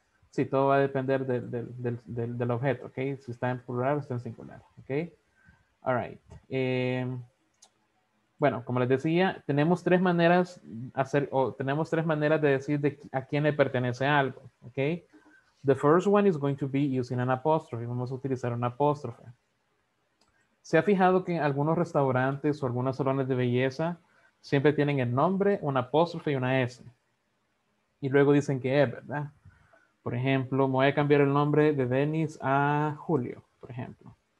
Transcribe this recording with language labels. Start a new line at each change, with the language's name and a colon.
Spanish: Sí, todo va a depender del objeto, ok. Si está en plural o está en singular, ok.
English: All right.
Spanish: Bueno, como les decía, tenemos tres maneras de decir a quién le pertenece algo, ¿ok?
English: The first one is going to be using an apostrophe.
Spanish: Vamos a utilizar un apóstrofe. ¿Se ha fijado que en algunos restaurantes o algunos salones de belleza siempre tienen el nombre, un apóstrofe y una S? Y luego dicen que es, ¿verdad? Por ejemplo, me voy a cambiar el nombre de Dennis a Julio, por ejemplo.